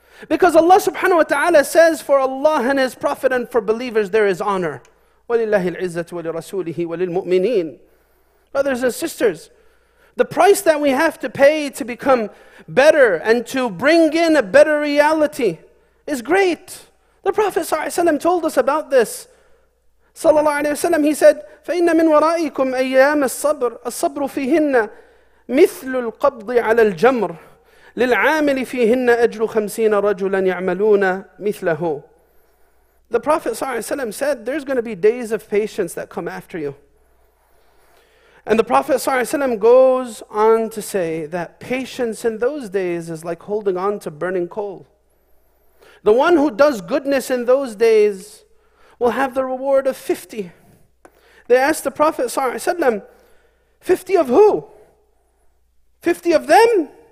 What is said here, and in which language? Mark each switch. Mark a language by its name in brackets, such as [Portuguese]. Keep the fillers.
[English] Because Allah subhanahu wa ta'ala says, For Allah and His Prophet and for believers there is honor. [Arabic] وَلِلَّهِ الْعِزَّةُ وَلِرَسُولِهِ وَلِلْمُؤْمِنِينَ [English] Brothers and sisters, the price that we have to pay to become better and to bring in a better reality is great. The Prophet ﷺ told us about this. [Arabic] صلى الله عليه وسلم [English] he said [Arabic] فإن من ورائكم أيام الصبر الصبر فيهن مثل القبض على الجمر للعامل فيهن أجر خمسين رجلا يعملون مثله [English] The Prophet ﷺ said there's going to be days of patience that come after you. And the Prophet ﷺ goes on to say that patience in those days is like holding on to burning coal. The one who does goodness in those days will have the reward of 50. They asked the Prophet, ﷺ, 50 of who? 50 of them?